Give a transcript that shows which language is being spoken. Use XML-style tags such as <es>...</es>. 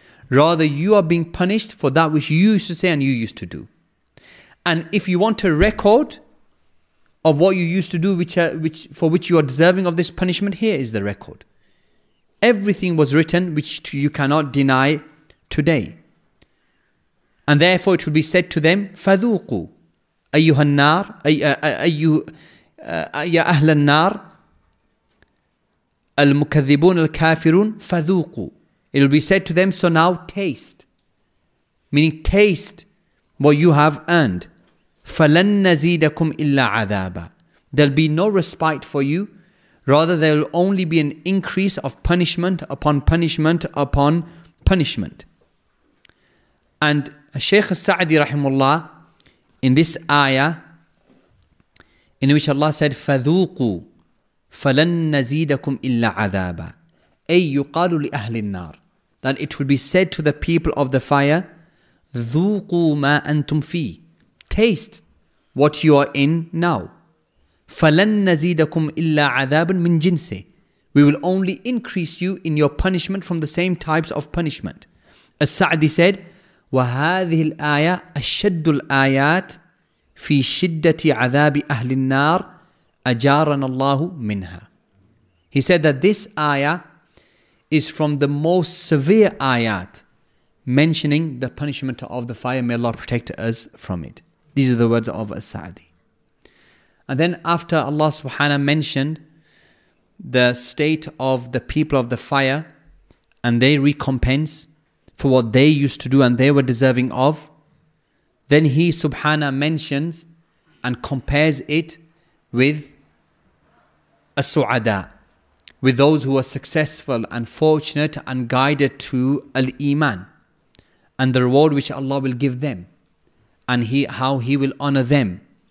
<en>Rather, you are being punished for that which you used to say and you used to do. And if you want a record of what you used to do, which you are deserving of this punishment, here is the record. Everything was written, which you cannot deny today. And therefore, it will be said to them,</en> <ar>فَذُوقُوا أَيُّهَا النَّارِ أَيَّ أَهْلَ النَّارِ الْمُكَذِّبُونَ الْكَافِرُونَ فَذُوقُوا.</ar> <en>It will be said to them, so now taste. Meaning taste what you have earned.</en> <ar>فَلَن نَزِيدَكُمْ إِلَّا عَذَابًا.</ar> <en>There'll be no respite for you. Rather, there'll only be an increase of punishment upon punishment upon punishment. And Shaykh Sa'di rahimullah, in this ayah, in which Allah said,</en> <ar>فَذُوقُوا فَلَن نَزِيدَكُمْ إِلَّا عَذَابًا أَيْ يُقَالُ لِأَهْلِ النَّارِ.</ar> <en>That it will be said to the people of the fire,</en> <ar>ذُوقُوا مَا أَنْتُمْ فِيهِ.</ar> <en>Taste what you are in now.</en> <ar>فَلَن نَزِيدَكُمْ إِلَّا عَذَابٌ مِنْ جِنْسِ.</ar> <en>We will only increase you in your punishment from the same types of punishment. As Sa'di said,</en> <ar>وَهَذِهِ الْآيَةِ أَشَدُّ الْآيَاتِ فِي شِدَّةِ عَذَابِ أَهْلِ النَّارِ أَجَارَنَ اللَّهُ مِنْهَا.</ar> <en>He said that this ayah is from the most severe ayat mentioning the punishment of the fire. May Allah protect us from it. These are the words of As-Sa'di. And then after Allah subhanahu mentioned the state of the people of the fire and their recompense for what they used to do and they were deserving of, then he subhanahu mentions and compares it with As-Su'ada, with those who are successful and fortunate and guided to Al-Iman, and the reward which Allah will give them, and how He will honor them.</en>